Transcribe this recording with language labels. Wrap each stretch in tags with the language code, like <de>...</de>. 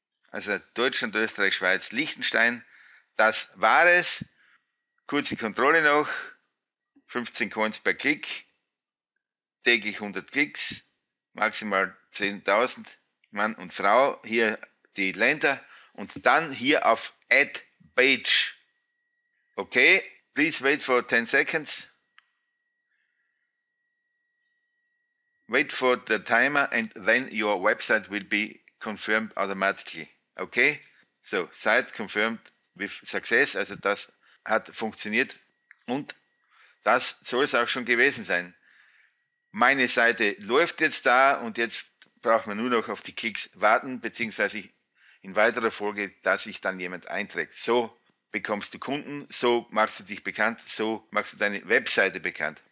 <de>Also Deutschland, Österreich, Schweiz, Liechtenstein. Das war es. Kurze Kontrolle noch. 15 Coins per Klick. Täglich 100 Klicks. Maximal 10.000 Mann und Frau. Hier die Länder. Und dann hier auf Add Page.</de> <en>Okay, please wait for 10 seconds. Wait for the timer and then your website will be confirmed automatically. Okay, so site confirmed with success.</en> <de>Also das hat funktioniert und das soll es auch schon gewesen sein. Meine Seite läuft jetzt da und jetzt braucht man nur noch auf die Klicks warten, beziehungsweise in weiterer Folge, dass sich dann jemand einträgt. So bekommst du Kunden, so machst du dich bekannt, so machst du deine Webseite bekannt.</de>